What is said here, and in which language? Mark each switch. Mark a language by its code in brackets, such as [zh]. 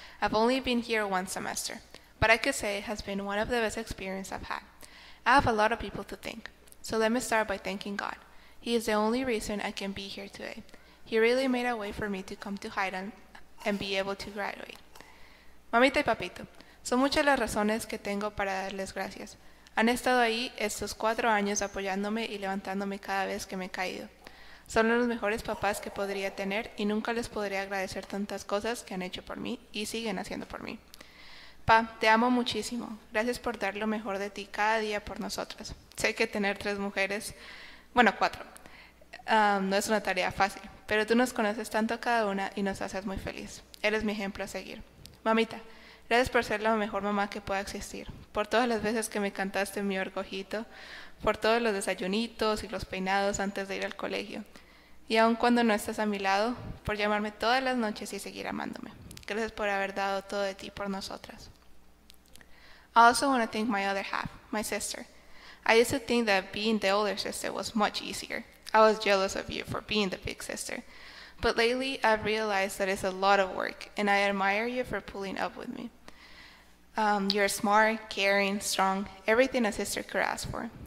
[en] I've only been here one semester, but I could say it has been one of the best experiences I've had. I have a lot of people to thank, so let me start by thanking God. He is the only reason I can be here today. He really made a way for me to come to Highland and be able to graduate. [es] Mamita y papito, son muchas las razones que tengo para darles gracias. Han estado ahí estos 4 años apoyándome y levantándome cada vez que me he caído. Son los mejores papás que podría tener y nunca les podría agradecer tantas cosas que han hecho por mí y siguen haciendo por mí. Pa, te amo muchísimo. Gracias por dar lo mejor de ti cada día por nosotras. Sé que tener 3 mujeres, bueno, 4, no es una tarea fácil, pero tú nos conoces tanto cada una y nos haces muy feliz. Eres mi ejemplo a seguir. Mamita, gracias por ser la mejor mamá que pueda existir, por todas las veces que me cantaste mi orgullito, por todos los desayunitos y los peinados antes de ir al colegio, y aun cuando no estás a mi lado, por llamarme todas las noches y seguir amándome. Gracias por haber dado todo de ti por nosotras. [en] I also want to thank my other half, my sister. I used to think that being the older sister was much easier. I was jealous of you for being the big sister. But lately, I've realized that it's a lot of work, and I admire you for pulling up with me. You're smart, caring, strong, everything a sister could ask for.